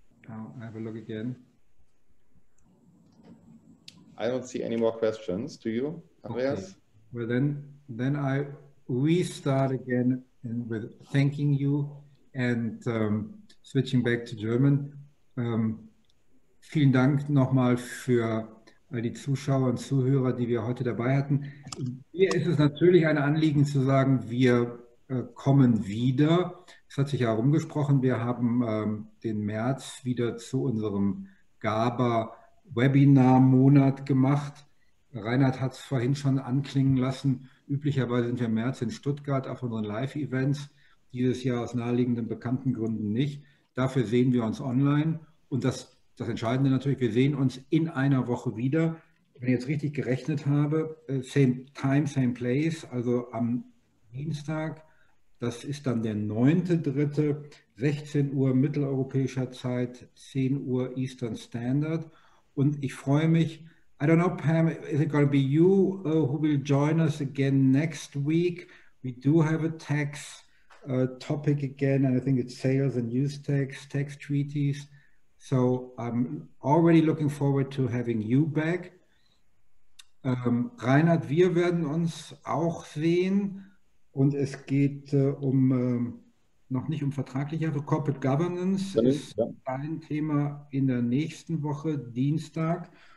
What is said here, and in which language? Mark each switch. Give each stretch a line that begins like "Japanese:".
English: I'll have a look again. I don't see any more questions. Do you, Andreas? Okay. Well, then I restart again and with thanking you and switching back to German.
German: Vielen Dank nochmal für all die Zuschauer und Zuhörer, die wir heute dabei hatten. Mir ist es natürlich ein Anliegen zu sagen, wir kommen wieder. Es hat sich ja herumgesprochen. Wir haben den März wieder zu unserem GABA-Webinar-Monat gemacht. Reinhard hat es vorhin schon anklingen lassen. Üblicherweise sind wir im März in Stuttgart auf unseren Live-Events. Dieses Jahr aus naheliegenden bekannten Gründen nicht. Dafür sehen wir uns online. Und das Entscheidende natürlich, wir sehen uns in einer Woche wieder. Wenn ich jetzt richtig gerechnet habe,
English: same time, same place,
German: also am Dienstag, das ist dann der 9.3., 16 Uhr mitteleuropäischer Zeit, 10 Uhr Eastern Standard. Und ich freue mich,
English: I don't know, Pam, is it going to be you who will join us again next week? We do have a tax topic again, and I think it's sales and use tax, tax treaties. So I'm already looking forward to having you back.
German: Reinhard, wir werden uns auch sehen. Und es geht noch nicht um vertragliche, aber Corporate Governance ist ein Thema in der nächsten Woche, Dienstag.